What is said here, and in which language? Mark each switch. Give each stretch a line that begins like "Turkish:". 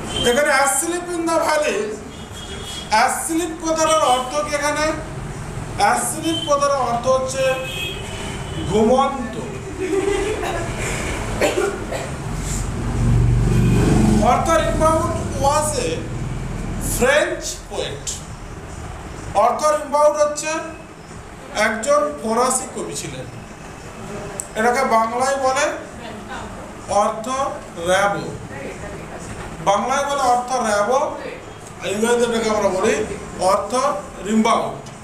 Bangla: এখানে
English: asleep in the valley,
Bangla: asleep কথাটার অর্থ কি, এখানে অ্যাসলিপ কথাটার অর্থ হচ্ছে ঘুমন্ত।
English: Arthur Rimbaud was a French poet.
Bangla: Arthur Rimbaud হচ্ছে একজন ফরাসি কবি ছিলেন, এটাকে বাংলায় বলে আর্থার র্যাবো, বাংলায় বলে আর্থার র্যাবো, ইংরেজিতে এটাকে আমরা বলি আর্থার রিমবাউড।